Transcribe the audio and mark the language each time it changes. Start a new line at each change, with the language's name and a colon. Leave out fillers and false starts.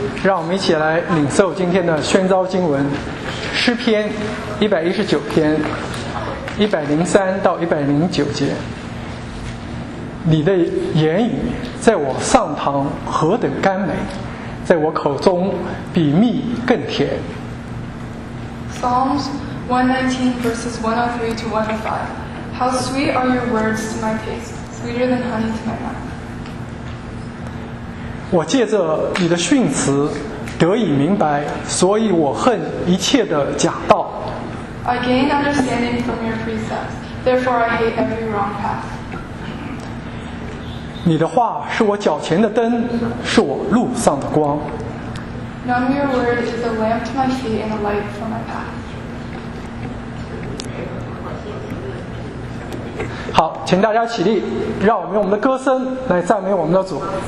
Chinese: 让我们一起来领受今天的宣召经文，诗篇119篇103到109节。你的言语在我上膛何等甘美，在我口中比蜜更甜。
English: Psalms 119 verses 103 to 105. How sweet are your words to my taste, sweeter than honey to my mouth.
Chinese: 我借着你的训词得以明白，所以我恨一切的假道。
English: I gain understanding from your precepts, therefore I hate every wrong path.
Chinese: 你的话是我脚前的灯，是我路上的光。
English: Knowing your word is a lamp to my feet and a light for my path.
Chinese: 好，请大家起立，让我们用我们的歌声来赞美我们的主。